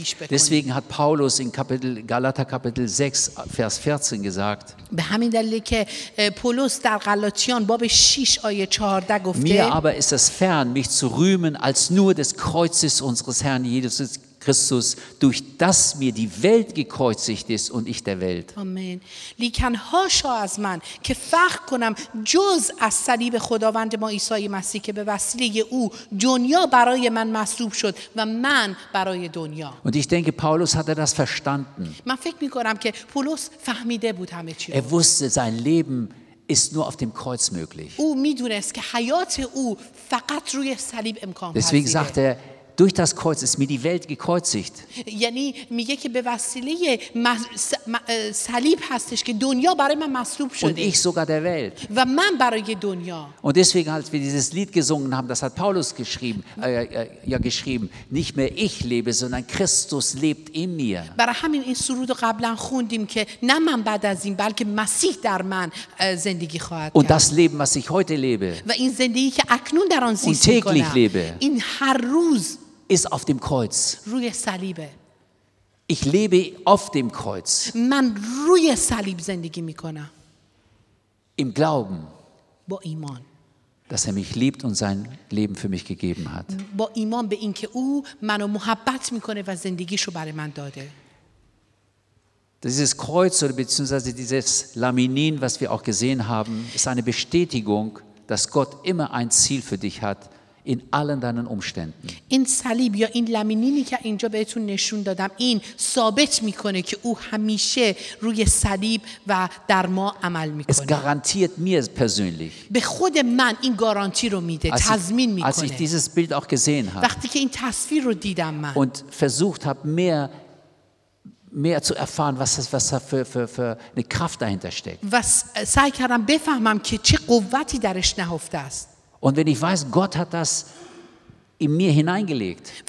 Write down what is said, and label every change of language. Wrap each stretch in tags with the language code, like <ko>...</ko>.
<de>Deswegen hat Paulus in Galater Kapitel 6, Vers 14 gesagt, mir aber ist es fern, mich zu rühmen als nur des Kreuzes unseres Herrn Jesus Christus, durch das mir die Welt gekreuzigt ist und ich der Welt. Amen.</de> <fa>لیکن هاشا از من که فخر کنم جز از صلیب خداوند ما عیسی مسیح که به وسیله او دنیا برای من مصلوب شد و من برای دنیا.</fa> <de>Und ich denke, Paulus hatte das verstanden.</de> <fa>من فکر می‌کنم که پولس فهمیده بود همه چی.</fa> <de>Er wusste, sein Leben ist nur auf dem Kreuz möglich.</de> <fa>او می‌دونست که حیات او فقط روی صلیب امکان پذیره.</fa> <de>Deswegen sagte er, durch das Kreuz ist mir die Welt gekreuzigt.</de> <fa>یعنی میگه که به وسیله صلیب هستش که دنیا برای من مصلوب شده.</fa> <de>Und ich sogar der Welt.</de> <fa>و من برای دنیا.</fa> <de>Und deswegen, als wir dieses Lied gesungen haben, das hat Paulus geschrieben, geschrieben, nicht mehr ich lebe, sondern Christus lebt in mir.</de> <fa>برای همین این سرود رو قبلا خوندیم که نه من بعد از این بلکه مسیح در من زندگی خواهد کرد.</fa> <de>Und das Leben, was ich heute lebe.</de> <fa>و این زندگی که اکنون در آن زیست می‌کنم. این هر روز</fa> <de>ist auf dem Kreuz.</de> <fa>روی صلیب.</fa> <de>Ich lebe auf dem Kreuz.</de> <fa>من روی صلیب زندگی میکنم.</fa> <de>Im Glauben.</de> <fa>با ایمان.</fa> <de>Dass er mich liebt und sein Leben für mich gegeben hat.</de> <fa>با ایمان به اینکه او منو محبت میکنه و زندگیشو برای من داده.</fa> <de>Dieses Kreuz oder beziehungsweise dieses Laminin, was wir auch gesehen haben, ist eine Bestätigung, dass Gott immer ein Ziel für dich hat. In allen deinen Umständen.</de> <fa>این صلیب یا این لامینینی که اینجا بهتون نشون دادم این ثابت میکنه که او همیشه روی صلیب و در ما عمل میکنه.</fa> <de>Es garantiert mir persönlich.</de> <fa>به خود من این گارانتی رو میده، تضمین میکنه.</fa> <de>Als ich dieses Bild auch gesehen habe.</de> <fa>وقتی که این تصویر رو دیدم من.</fa> <de>Und versucht habe mehr zu erfahren, was da für eine Kraft dahinter steckt.</de> <fa>Was سعی کردم بفهمم که چه قوتی درش نهفته است.</fa> <de>Und wenn ich weiß, Gott hat das in mir hineingelegt.</de>